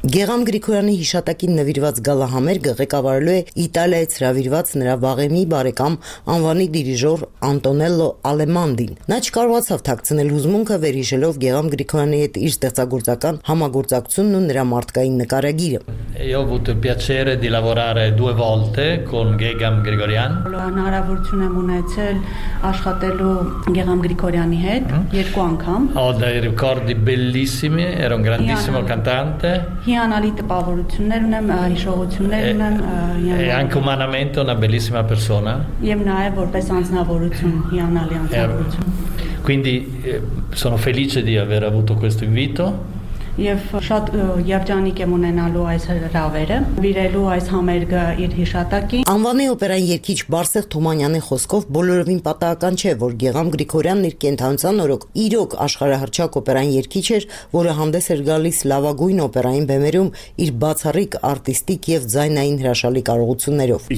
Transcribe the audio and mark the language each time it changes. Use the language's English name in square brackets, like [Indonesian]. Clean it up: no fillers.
[Armenian] Գեղամ Գրիգորյանի հիշատակին նվիրված գալա համերգը ղեկավարելու է Իտալիայից հրավիրված նրա վաղեմի բարեկամ անվանի դիրիժոր Անտոնելլո Ալեմանդին։ Նա չկարողացավ թաքցնել հուզմունքը, վերհիշելով Գեղամ Գրիգորյանի հետ իր ստեղծագործական համագործակցությունն ու նրա մարդկային նկարագիրը։ [Italian] Io ho avuto il piacere di lavorare due volte con Gegam Grigorian. [Armenian] Լո հնարավորություն եմ ունեցել աշխատելու Գեղամ Գրիգորյանի հետ երկու անգամ։ [Italian] Bellissimi, era un grandissimo cantante. E anche umanamente una bellissima persona. Quindi sono felice di aver avuto questo invito. [Armenian] Եվ շատ երջանիկ եմ ունենալու այս հրավերը, վիրելու այս համերգը իր հիշատակին։ Անվանի օպերայի երգիչ Բարսեղ Թումանյանի խոսքով բոլորովին պատահական չէ, որ Գեղամ Գրիգորյանն իր կենդանության օրոք իրոք աշխարհահռչակ օպերային երգիչ էր, որը հանդես էր գալիս լավագույն օպերային բեմերում իր բացառիկ արտիստիկ եւ ձայնային հրաշալի կարողություններով։